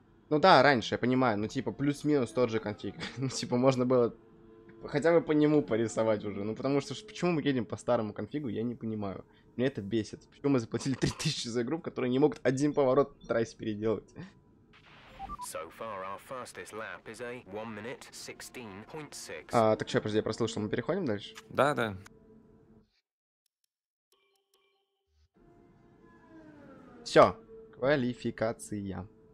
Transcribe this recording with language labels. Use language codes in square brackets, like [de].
[ru] Ну да, раньше, я понимаю, ну типа плюс-минус тот же конфиг. Ну типа можно было хотя бы по нему порисовать уже. Ну потому что почему мы едем по старому конфигу, я не понимаю. Мне это бесит. Почему мы заплатили 3000 за игру, в которой не могут один поворот трассы переделать? [en] So far, our fastest lap is a 1:16.6. [ru] Так что, подожди, я прослушал, мы переходим дальше? Да, да. Все, квалификация.